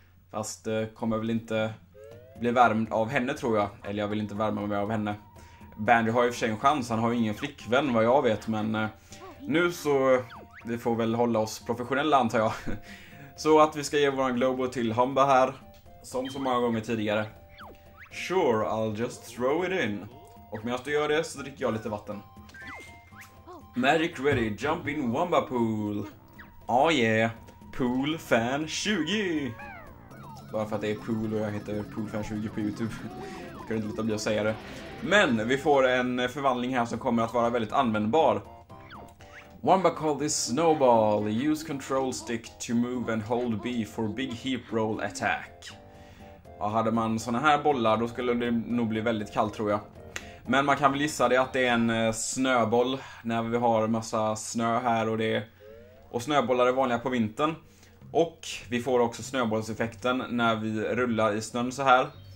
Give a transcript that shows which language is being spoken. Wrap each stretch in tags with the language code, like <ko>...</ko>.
<sv>Fast kommer väl inte bli värmd av henne tror jag. Eller jag vill inte värma mig av henne. Bandy har ju för sig en chans, han har ju ingen flickvän vad jag vet, men... Nu så, vi får väl hålla oss professionella antar jag. Så att vi ska ge våran Globo till Humba här. Som så många gånger tidigare.</sv> <en>Sure, I'll just throw it in.</en> <sv>Och medan du gör det så dricker jag lite vatten.</sv> <en>Magic ready, jump in Wamba pool. Oh yeah, pool fan 20.</en> <sv>Bara för att det är pool och jag heter pool fan 20 på YouTube. Jag kan inte låta bli att säga det. Men vi får en förvandling här som kommer att vara väldigt användbar.</sv> <en>Wamba called this snowball. Use control stick to move and hold B for big heap roll attack.</en> <sv>Ja, hade man såna här bollar då skulle det nog bli väldigt kallt tror jag. Men man kan väl gissa det att det är en snöboll när vi har massa snö här och det. Och snöbollar är vanliga på vintern. Och vi får också snöbollseffekten när vi rullar i snön så här.</sv>